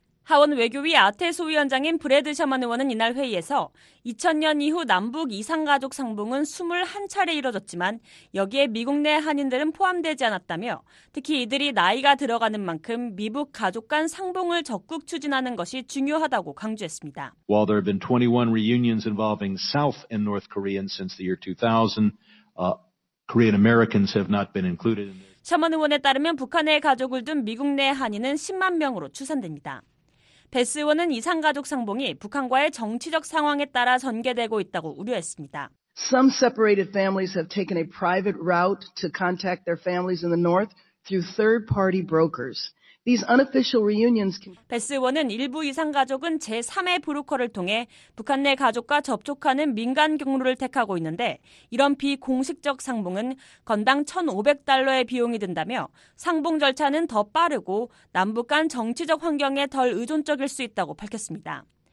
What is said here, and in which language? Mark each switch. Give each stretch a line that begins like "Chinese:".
Korean: 하원 외교위 아태수 위원장인 브래드 셔먼 의원은 이날 회의에서 2000년 이후 남북 이산가족 상봉은 21차례 이뤄졌지만 여기에 미국 내 한인들은 포함되지 않았다며 특히 이들이 나이가 들어가는 만큼 미북 가족 간 상봉을 적극 추진하는 것이 중요하다고 강조했습니다.
English: While there have been 21 reunions involving South and North Koreans since the year 2000, Korean Americans have not been included.
Korean: 셔먼 의원에 따르면 북한의 가족을 둔 미국 내 한인은 10만 명으로 추산됩니다. 베스 의원은 이산가족 상봉이 북한과의 정치적 상황에 따라 전개되고 있다고 우려했습니다.
English: Some separated families have taken a private route to contact their families in the north through third-party brokers. These unofficial reunions can...
Korean: 베스 의원은 일부 이산가족은 제3의 브로커를 통해 북한 내 가족과 접촉하는 민간 경로를 택하고 있는데 이런 비공식적 상봉은 건당 $1,500의 비용이 든다며 상봉 절차는 더 빠르고 남북 간 정치적 환경에 덜 의존적일 수 있다고 밝혔습니다.